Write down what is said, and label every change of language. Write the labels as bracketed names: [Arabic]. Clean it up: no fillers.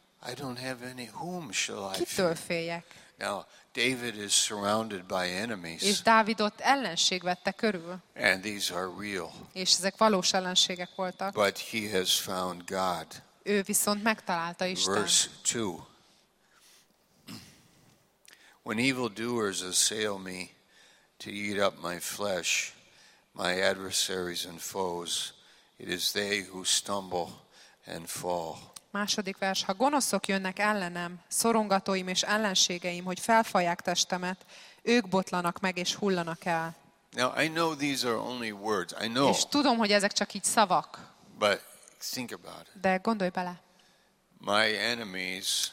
[English] I don't have any whom shall I fear? [Hungarian] Kitől féljek? [English] Now, David is surrounded by enemies. [Hungarian] És Dávidot ellenség vette körül. [English] And these are real. [Hungarian] És ezek valós ellenségek voltak. [English] But he has found God. [Hungarian] Ő viszont megtalálta Istent. [English] Verse 2. When evildoers assail me to eat up my flesh, my adversaries and foes, it is they who stumble and fall. [Hungarian] Második vers. Ha gonoszok jönnek ellenem, szorongatóim és ellenségeim, hogy felfalják testemet, ők botlanak meg és hullanak el. [English] Now, I know these are only words. I know. [Hungarian] És tudom, hogy ezek csak így szavak. [English] But think about it. [Hungarian] De gondolj bele. [English] My enemies